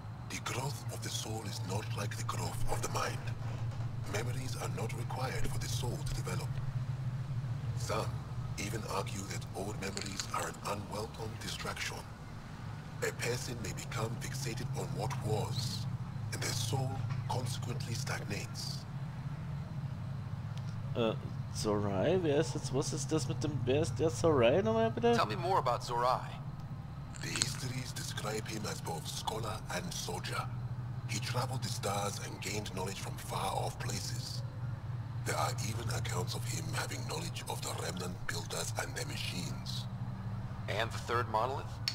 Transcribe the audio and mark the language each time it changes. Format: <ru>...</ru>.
<en>The growth of the soul is not like the growth of the mind. Memories are not required for the soul to develop. Some even argue that old memories are an unwelcome distraction. A person may become fixated on what was, and their soul consequently stagnates. Zorai?</en> <de>Wer ist jetzt, was ist das mit dem, wer ist der Zorai nochmal bitte?</de> <en>Tell me more about Zorai. The histories describe him as both scholar and soldier. He traveled the stars and gained knowledge from far off places. There are even accounts of him having knowledge of the remnant builders and their machines. And the third monolith?</en>